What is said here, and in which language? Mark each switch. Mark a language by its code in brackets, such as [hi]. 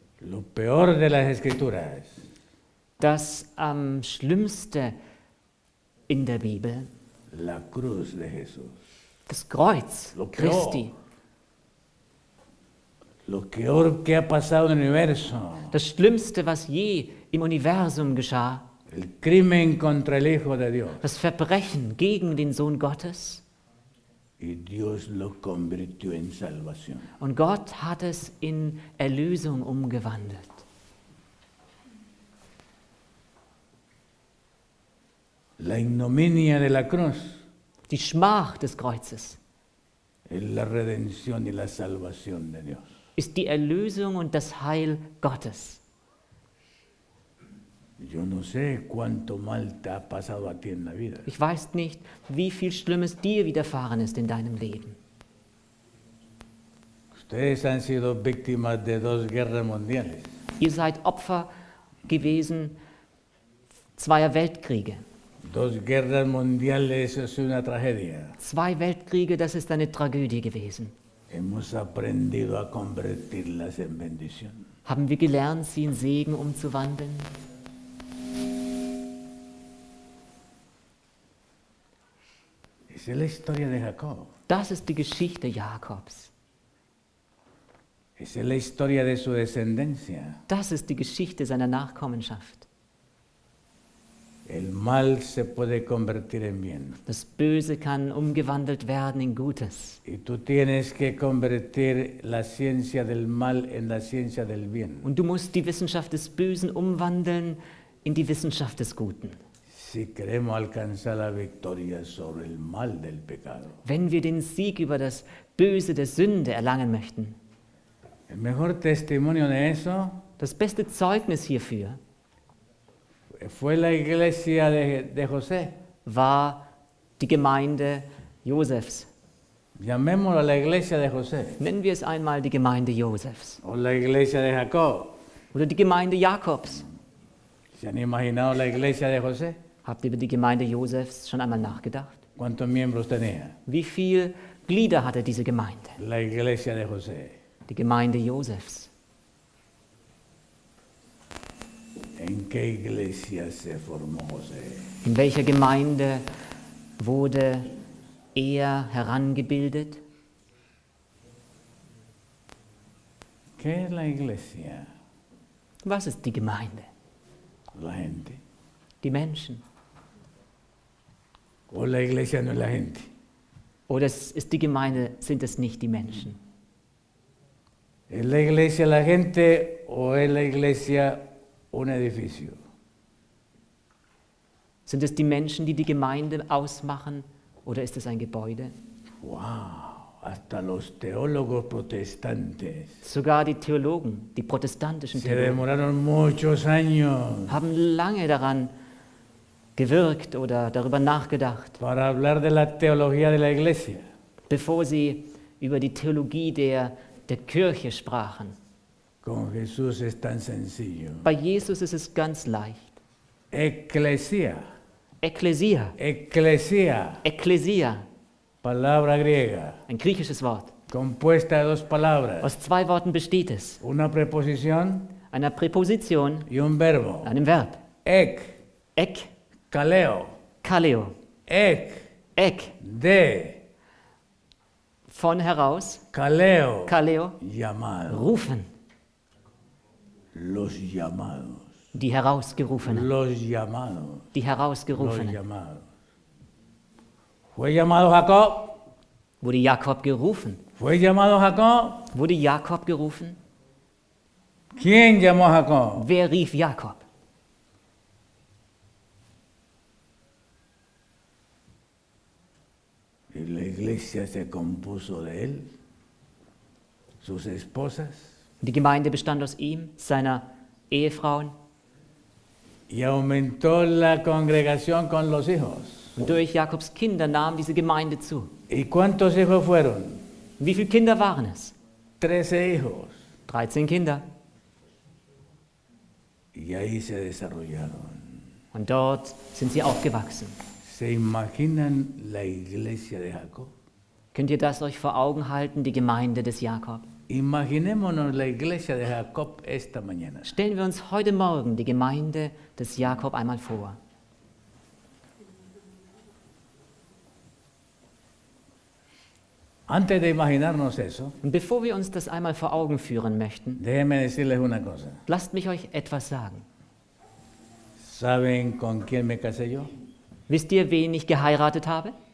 [es] Lo peor de las Escrituras. [de] Das am schlimmste in der Bibel. [es] La cruz de Jesús. [de] Das Kreuz [es] lo [de] Christi. [es] Lo peor que ha pasado en el universo. [de] Das Schlimmste, was je im Universum geschah. [es] El crimen contra el Hijo de Dios. [de] Das Verbrechen gegen den Sohn Gottes. [es] Y Dios lo convirtió en salvación. [de] Und Gott hat es in Erlösung umgewandelt. [es] La ignominia de la cruz. [de] Die Schmach des Kreuzes. [es] La redención y la salvación de Dios. [de] Ist die Erlösung und das Heil Gottes. [es] Yo no sé cuánto mal te ha pasado a ti en la vida. [de] Ich weiß nicht, wie viel Schlimmes dir widerfahren ist in deinem Leben. [es] Ustedes han sido víctimas de dos guerras mundiales. [de] Ihr seid Opfer gewesen zweier Weltkriege. [es] Dos guerras mundiales es una tragedia. [de] Zwei Weltkriege, das ist eine Tragödie gewesen. [es] Hemos aprendido a convertirlas en bendición. [de] Haben wir gelernt, sie in Segen umzuwandeln? [es] Es la historia de Jacob. [de] Das ist die Geschichte Jakobs. [es] Es la historia de su descendencia. [de] Das ist die Geschichte seiner Nachkommenschaft. [es] El mal se puede convertir en bien. [de] Das Böse kann umgewandelt werden in Gutes. [es] Y tú tienes que convertir la ciencia del mal en la ciencia del bien. [de] Und du musst die Wissenschaft des Bösen umwandeln in die Wissenschaft des Guten. [es] Si queremos alcanzar la victoria sobre el mal del pecado. [de] Wenn wir den Sieg über das Böse der Sünde erlangen möchten. [es] El mejor testimonio de eso. [de] Das beste Zeugnis hierfür. [es] Fue la iglesia de José. [de] War die Gemeinde Josefs. [es] Llamémoslo la iglesia de José. [de] Nennen wir es einmal die Gemeinde Josefs. [es] O la iglesia de Jacob. [de] Oder die Gemeinde Jakobs. [es] ¿Se han imaginado la iglesia de José? [de] Habt ihr über die Gemeinde Josefs schon einmal nachgedacht? [es] ¿Cuántos miembros tenía? [de] Wie viele Glieder hatte diese Gemeinde? [es] La iglesia de José. [de] Die Gemeinde Josefs. [es] ¿En qué iglesia se formó José? [de] In welcher Gemeinde wurde er herangebildet? [es] ¿Qué es la iglesia? [de] Was ist die Gemeinde? [es] La gente. [de] Die Menschen. [es] O la iglesia no es la gente. [de] Oder ist die Gemeinde, sind es nicht die Menschen? [es] ¿Es la iglesia la gente o es la iglesia un edificio? [de] Sind es die Menschen, die Gemeinde ausmachen, oder ist es ein Gebäude? [es] Wow, hasta los teólogos protestantes. [de] Sogar die Theologen, die protestantischen [es] Theologen, se demoraron muchos años, [de] haben lange daran gewirkt oder darüber nachgedacht, [es] para hablar de la teología de la iglesia, [de] bevor sie über die Theologie der Kirche sprachen. [es] Con Jesús es tan sencillo. [de] Bei Jesus ist es ganz leicht. [es] Ecclesia. [de] Ecclesia. [es] Ecclesia. [de] Ecclesia. [es] Palabra griega. [de] Ein griechisches Wort. [es] Compuesta de dos palabras. [de] Aus zwei Worten besteht es. [es] Una preposición. [de] Eine Präposition. [es] Y un verbo. [de] Einem Verb. [es] Ec. [de] Ec. [es] Kaleo. [de] Kaleo. [es] Ec. [de] Ec. [es] De. [de] Von heraus. [es] Kaleo. [de] Kaleo. [es] Llamado. [de] Rufen. [es] Los llamados. [de] Die Herausgerufenen. [es] Los llamados. [de] Die Herausgerufenen. [es] Los llamados. Fue llamado Jacob. [de] Wurde Jakob gerufen. [es] Fue llamado Jacob. [de] Wurde Jakob gerufen. [es] ¿Quién llamó Jacob? [de] Wer rief Jakob? [es] Y la iglesia se compuso de él, sus esposas. [de] Die Gemeinde bestand aus ihm, seiner Ehefrauen. [es] Y aumentó la congregación con los hijos. [de] Und durch Jakobs Kinder nahm diese Gemeinde zu. [es] ¿Y cuántos hijos fueron? [de] Wie viele Kinder waren es? [es] 13 hijos. [de] 13 Kinder. [es] Y ahí se desarrollaron. [de] Und dort sind sie aufgewachsen. [es] ¿Se imaginan la iglesia de Jacob? [de] Könnt ihr das euch vor Augen halten, die Gemeinde des Jakob? [es] Imaginémonos la iglesia de Jacob esta mañana. [de] Stellen wir uns heute Morgen die Gemeinde des Jakob einmal vor. [es] Antes de imaginarnos eso, [de] und bevor wir uns das einmal vor Augen führen möchten, [es] déjenme decirles una cosa. [de] Lasst mich euch etwas sagen. [es] ¿Saben con quién me casé yo? [de] Wisst ihr, wen ich geheiratet habe?